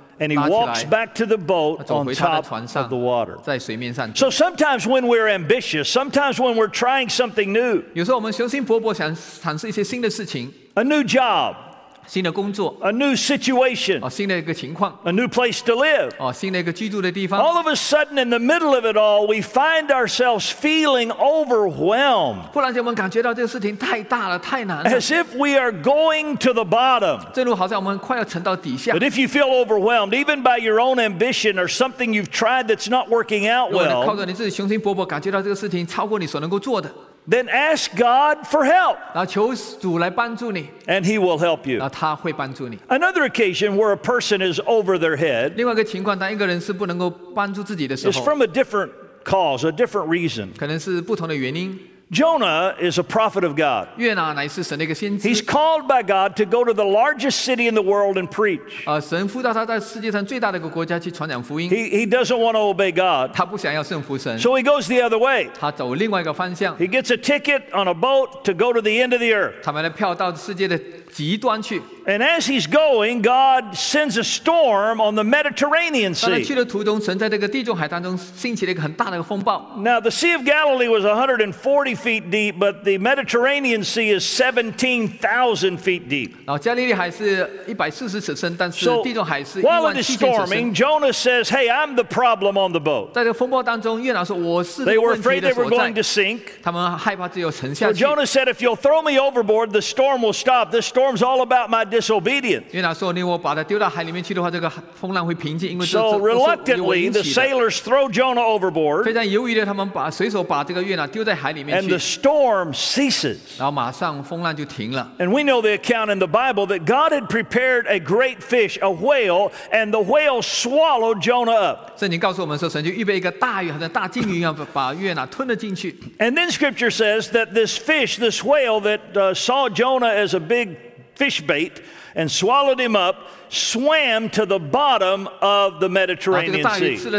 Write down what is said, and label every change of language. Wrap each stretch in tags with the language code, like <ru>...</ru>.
<en>and he walks back to the boat on top of the water.</en> <zh>在水面上</zh> <en>So sometimes when we're ambitious, sometimes when we're trying something new,</en> <zh>有时候我们雄心勃勃想尝试一些新的事情</zh> <en>a new job,</en> <zh>新的工作</zh> <en>a new situation</en> <zh>新的一个情况</zh> <en>a new place to live</en> <zh>新的一个居住的地方</zh> <en>all of a sudden in the middle of it all we find ourselves feeling overwhelmed</en> <zh>忽然间我们感觉到这个事情太大了太难了</zh> <en>as if we are going to the bottom</en> <zh>正如好像我们快要沉到底下</zh> <en>but if you feel overwhelmed even by your own ambition or something you've tried that's not working out well</en> <zh>如果靠着你自己雄心勃勃感觉到这个事情超过你所能够做的</zh> <en>Then ask God for help.</en> <zh>然后求主来帮助你。</zh> <en>And he will help you.</en> <zh>然后他会帮助你。</zh> <en>Another occasion where a person is over their head.</en> <zh>另外一个情况，当一个人是不能够帮助自己的时候。</zh> <en>Is from a different cause, a different reason.</en> <zh>可能是不同的原因。</zh> <en>Jonah is a prophet of God.</en> <zh>约拿乃是神的一个先知。</zh> <en>He's called by God to go to the largest city in the world and preach.</en> <zh>神呼召他在世界上最大的一个国家去传讲福音。</zh> <en>He doesn't want to obey God.</en> <zh>他不想要顺服神。</zh> <en>So he goes the other way.</en> <zh>他走另外一个方向。</zh> <en>He gets a ticket on a boat to go to the end of the earth.</en> <zh>他买了票到世界的极端去。</zh> <en>And as he's going, God sends a storm on the Mediterranean Sea.</en> <zh>他去的途中，神在这个地中海当中兴起了一个很大的一个风暴。</zh> <en>Now the Sea of Galilee was 140 feet deep, but the Mediterranean Sea is 17,000 feet deep.</en> <zh>然后加利利海是140尺深，但是地中海是</zh> <en>So while it is storming, Jonah says, "Hey, I'm the problem on the boat."</en> <zh>在这个风暴当中，约拿说我是问题的所在。</zh> <en>They were afraid they were going to sink.</en> <zh>他们害怕自己要沉下去。</zh> <en>So Jonah said, "If you'll throw me overboard, the storm will stop. This storm's all about my disobedient.</en> <zh>因为那时候我把他丢到海里面去的话，这个风浪会平静。</zh> <en>So reluctantly, the sailors throw Jonah overboard.</en> <zh>非常犹豫的，他们把随手把这个约拿丢在海里面去。</zh> <en>And the storm ceases.</en> <zh>然后马上风浪就停了。</zh> <en>And we know the account in the Bible that God had prepared a great fish, a whale, and the whale swallowed Jonah up.</en> <zh>圣经告诉我们说，神就预备一个大鱼，好像大鲸鱼一样，把约拿吞了进去。</zh> <en>And then Scripture says that this fish, this whale that saw Jonah as a big fish bait and swallowed him up, swam to the bottom of the Mediterranean Sea.</en>